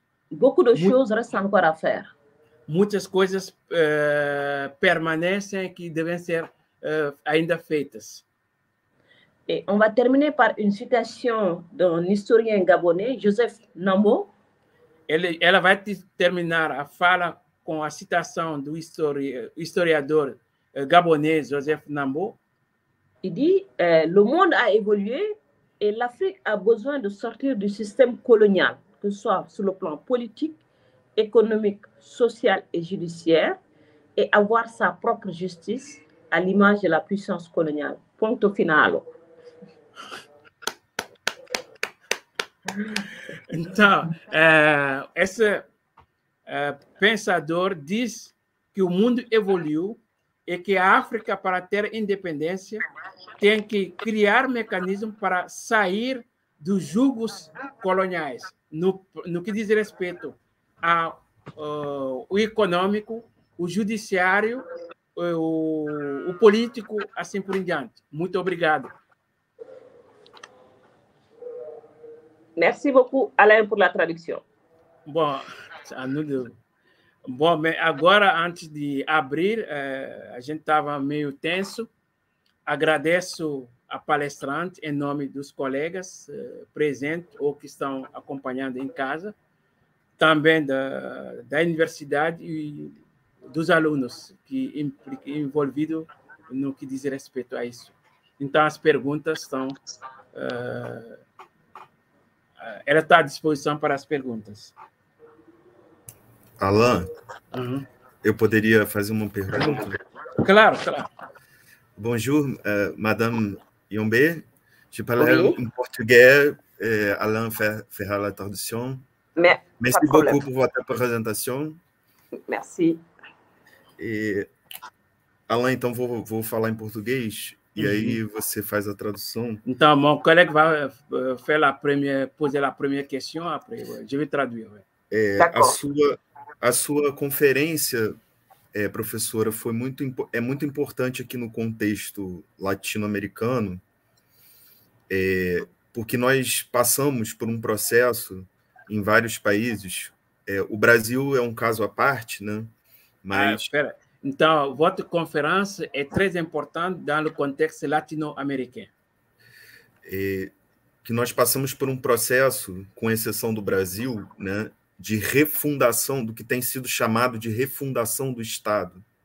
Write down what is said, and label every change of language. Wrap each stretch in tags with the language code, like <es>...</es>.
<fr>beaucoup de choses restent encore à faire.</fr> <pt>Muitas coisas permanecem que devem ser ainda feitas.</pt> <fr>Et on va terminer par une citation d'un historien gabonais, Joseph Nambo.</fr> <pt>Ela vai terminar a fala com a citação do historiador gabonais, Joseph Nambo.</pt> <fr>Il dit, le monde a évolué et l'Afrique a besoin de sortir du système colonial, que ce soit sur le plan politique, économique, social et judiciaire, et avoir sa propre justice à l'image de la puissance coloniale.</fr> <pt>Ponto final. Então, esse pensador diz que o mundo evoluiu e que a África, para ter independência, tem que criar mecanismos para sair dos jugos coloniais no que diz respeito ao econômico, o judiciário, o político, assim por diante. Muito obrigado.</pt> <fr>Merci beaucoup, Alain, pour la traduction. Bon, à nous deux.</fr> <pt>Bon, mais agora, antes de abrir, a gente estava meio tenso. Agradeço a palestrante em nome dos colegas presentes ou que estão acompanhando em casa, também da universidade e dos alunos que envolvidos no que diz respeito a isso. Então, as perguntas estão... Ela está à disposição para as perguntas. Alan, eu poderia fazer uma pergunta? Claro, claro.</pt> <fr>Bonjour, Madame Yombe. Je parle en portugais. Alan fera la traduction. Merci beaucoup pour votre présentation. Merci.</fr> <pt>Alan, então vou falar em português. E aí você faz a tradução. Então, meu colega vai fazer a primeira questão, eu vou traduzir. A sua conferência, professora, foi muito importante aqui no contexto latino-americano, porque nós passamos por um processo em vários países. O Brasil é um caso à parte, né? Mas... espera.</pt> <fr>Então, votre conférence est très importante dans le contexte latino-américain.</fr> <pt>Que nós passamos por um processo, com exceção do Brasil, né, de refundação, do que tem sido chamado de refundação do Estado.</pt>